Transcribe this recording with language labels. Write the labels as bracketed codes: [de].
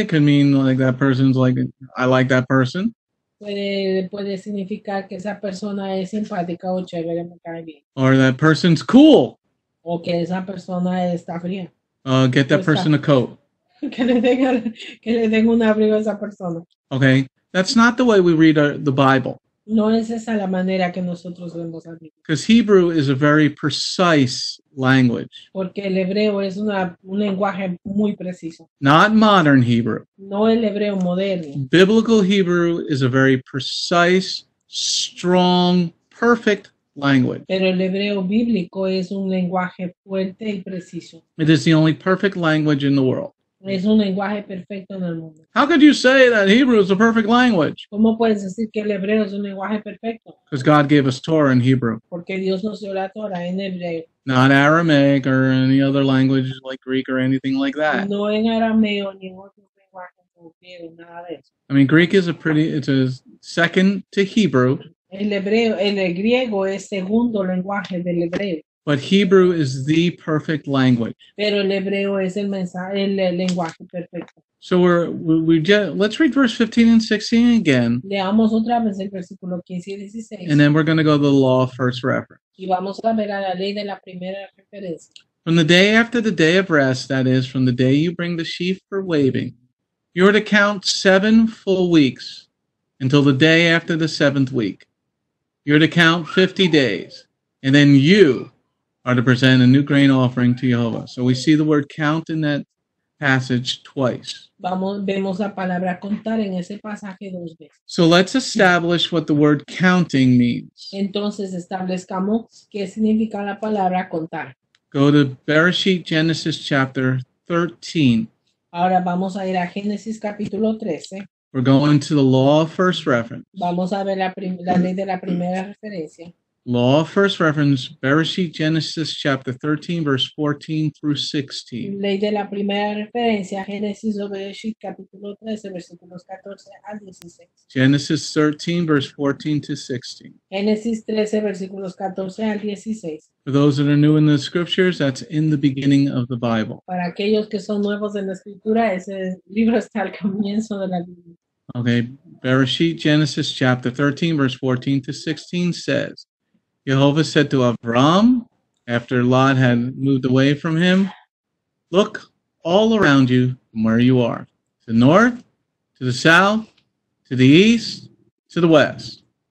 [en] It could mean like that person's like, I like that person. [es] Puede significar que esa persona es simpática o chévere, me cae bien. [en] Or that person's cool. [es] O que esa persona está fría. [en] Get that person a coat. [es] Que le den un abrigo a esa persona. [en] Okay. That's not the way we read the Bible. [es] No es esa la manera que nosotros vemos la Biblia. [en] Because Hebrew is a very precise language. [es] Porque el hebreo es un lenguaje muy preciso. [en] Not modern Hebrew. [es] No el hebreo moderno. [en] Biblical Hebrew is a very precise, strong, perfect language. [es] Pero el hebreo bíblico es un lenguaje fuerte y preciso. [en] It is the only perfect language in the world. [es] Es un lenguaje perfecto en el mundo. [en] How could you say that Hebrew is a perfect language? [es] ¿Cómo puedes decir que el hebreo es un lenguaje perfecto? [en] Because God gave us Torah in Hebrew. [es] Porque Dios nos dio la Torah en hebreo. [en] Not Aramaic or any other language like Greek or anything like that. [es] No en arameo ni en otro lenguaje como griego, nada de eso. [en] I mean, Greek is it's a second to Hebrew. [es] El griego es segundo lenguaje del hebreo. [en] But Hebrew is the perfect language. [es] Pero el hebreo es el lenguaje perfecto. [en] So let's read verse 15 and 16 again. [es] Leamos otra vez el versículo 15 y 16. [en] And then we're going to go to the law of first reference. [es] Y vamos a ver a la ley de la primera referencia. [en] From the day after the day of rest, that is, from the day you bring the sheaf for waving, you are to count 7 full weeks until the day after the seventh week. You're to count 50 days, and then you are to present a new grain offering to Jehovah. So we see the word count in that passage twice. [es] Vemos la palabra contar en ese pasaje dos veces. [en] So let's establish what the word counting means. [es] Entonces establezcamos qué significa la palabra contar. [en] Go to Bereshit, Genesis chapter 13. [es] Ahora vamos a ir a Génesis capítulo 13. [en] We're going to the law of first reference. [es] Vamos a ver la ley de la primera referencia. [en] Law of first reference, Bereshit, Genesis chapter 13, verse 14 through 16. [es] Ley de la primera referencia, Génesis o Bereshit capítulo 13, versículos 14 a 16. [en] Genesis 13, verse 14 to 16. [es] Génesis 13, versículos 14 al 16. [en] For those that are new in the scriptures, that's in the beginning of the Bible. [es] Para aquellos que son nuevos en la escritura, ese libro está al comienzo de la Biblia. [en] Okay, Bereshit, Genesis chapter 13, verse 14 to 16 says, Jehovah said to Avram, after Lot had moved away from him, look all around you from where you are, to the north, to the south, to the east, to the west.